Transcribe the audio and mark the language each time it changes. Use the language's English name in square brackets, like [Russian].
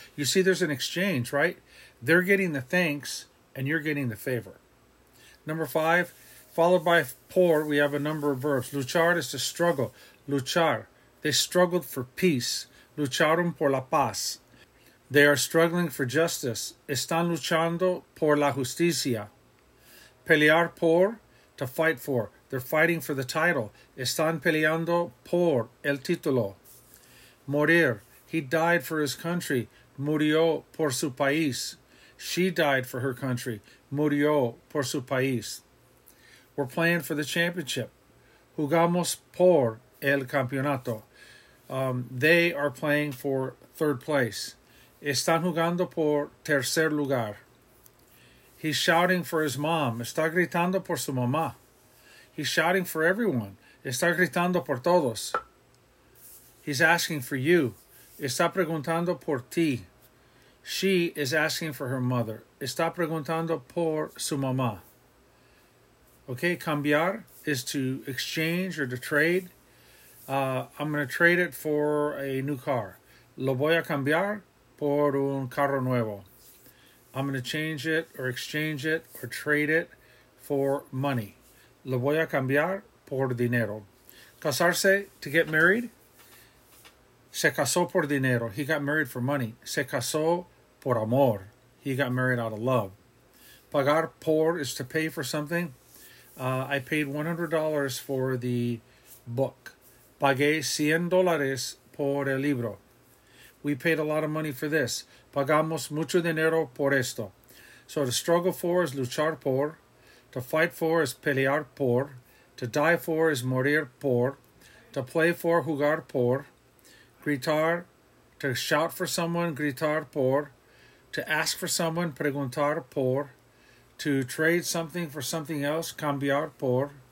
[English] You see, there's an exchange, right? They're getting the thanks and you're getting the favor. Number five, followed by por, we have a number of verbs. Luchar is to struggle. Luchar. They struggled for peace. [Spanish] Lucharon por la paz. [English] They are struggling for justice. [Spanish] Están luchando por la justicia. [English] Pelear por, to fight for. They're fighting for the title. [Spanish] Están peleando por el título. [English] Morir, he died for his country, [Spanish] murió por su país. [English] She died for her country, [Spanish] murió por su país. [English] We're playing for the championship, [Spanish] jugamos por el campeonato. [English] They are playing for third place. [Spanish] Están jugando por tercer lugar. [English] He's shouting for his mom, [Spanish] está gritando por su mamá. [English] He's shouting for everyone, [Spanish] está gritando por todos. [English] He's asking for you. [Spanish] Está preguntando por ti. [English] She is asking for her mother. [Spanish] Está preguntando por su mamá. [English] Okay, cambiar is to exchange or to trade. I'm going to trade it for a new car. [Spanish] Lo voy a cambiar por un carro nuevo. [English] I'm going to change it or exchange it or trade it for money. [Spanish] Lo voy a cambiar por dinero. Casarse, [English] to get married. [Spanish] Se casó por dinero. [English] He got married for money. [Spanish] Se casó por amor. [English] He got married out of love. Pagar por is to pay for something. I paid $100 for the book. [Spanish] Pagué $100 por el libro. [English] We paid a lot of money for this. [Spanish] Pagamos mucho dinero por esto. [English] So to struggle for is luchar por. To fight for is pelear por. To die for is morir por. To play for, jugar por. Gritar, to shout for someone, gritar por. To ask for someone, preguntar por. To trade something for something else, cambiar por.